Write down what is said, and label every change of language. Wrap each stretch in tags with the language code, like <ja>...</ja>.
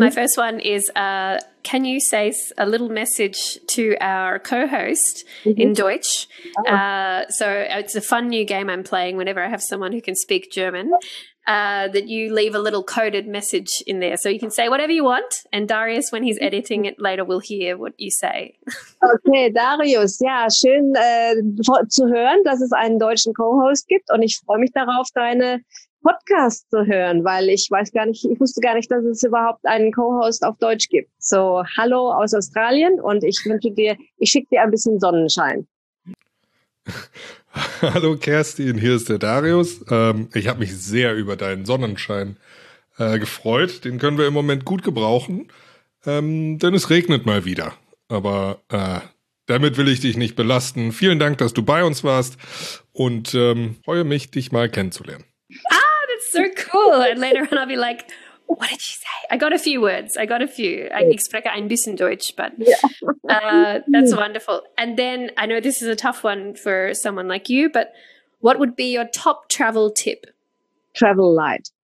<en>My first one is, can you say a little message to our co-host mm-hmm. in Deutsch? So it's a fun new game I'm playing whenever I have someone who can speak German. That you leave a little coded message in there. So you can say whatever you want, and Darius, when he's editing it later, will hear what you say.</en> <de>Okay, Darius, ja, schön zu hören, dass es einen deutschen Co-Host gibt, und ich freue mich darauf, deine Podcast zu hören, weil ich wusste gar nicht, dass es überhaupt einen Co-Host auf Deutsch gibt. So, hallo aus Australien, und ich schicke dir ein bisschen Sonnenschein. Hallo Kerstin, hier ist der Darius. Ich habe mich sehr über deinen Sonnenschein gefreut. Den können wir im Moment gut gebrauchen, denn es regnet mal wieder. Aber damit will ich dich nicht belasten. Vielen Dank, dass du bei uns warst, und freue mich, dich mal kennenzulernen.</de> <en>Ah, that's so cool. And later on I'll be like, what did you say? I got a few words. I</en> <de>spreche ein bisschen Deutsch,</de> <en>but that's wonderful. And then I know this is a tough one for someone like you, but what would be your top travel tip? Travel light.</en>